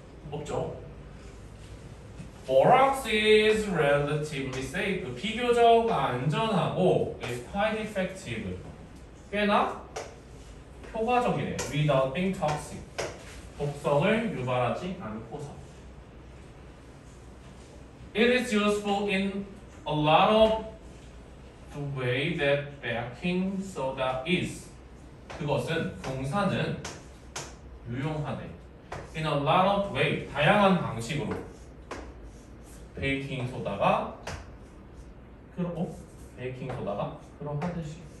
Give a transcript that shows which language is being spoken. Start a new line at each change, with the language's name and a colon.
Korean: 없죠.
English: Borax is relatively safe.
Korean: 비교적 안전하고
English: is quite effective.
Korean: 꽤나 효과적이네.
English: Without being toxic.
Korean: 독성을 유발하지 않고서.
English: It is useful in a lot of the way that baking soda is.
Korean: 그것은, 동사는 유용하네.
English: In a lot of way,
Korean: 다양한 방식으로. 베이킹 소다가 그러고 베이킹 소다가 그러하듯이